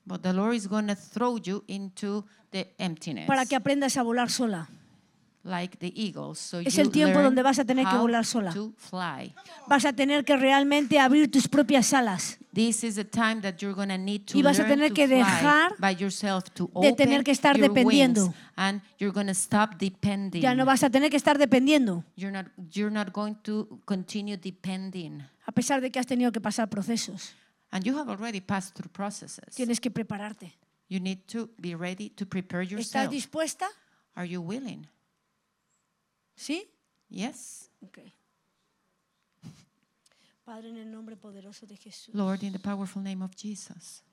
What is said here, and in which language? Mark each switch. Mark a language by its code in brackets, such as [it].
[en] But the Lord is going to throw you into the emptiness. [es] Para que aprendas a volar sola. [en] Like the eagles, so [es] es el tiempo donde vas a tener que volar sola. Vas a tener que realmente abrir tus propias alas. [en] This is a time that you're going to need to [es] y vas a tener que dejar [en] by yourself to [es] de tener que estar dependiendo. [en] And you're going to stop depending. [es] Ya no vas a tener que estar dependiendo. [en] You're not going to continue depending. [es] A pesar de que has tenido que pasar procesos. [en] And you have already passed through processes. [es] Tienes que prepararte. [en] You need to be ready to prepare yourself. [es] ¿Estás dispuesta? [en] Are you willing? [es] ¿Sí? [en] Yes. Okay. [es] Padre, en el nombre poderoso de Jesús. [en] Lord, in the powerful name of Jesus.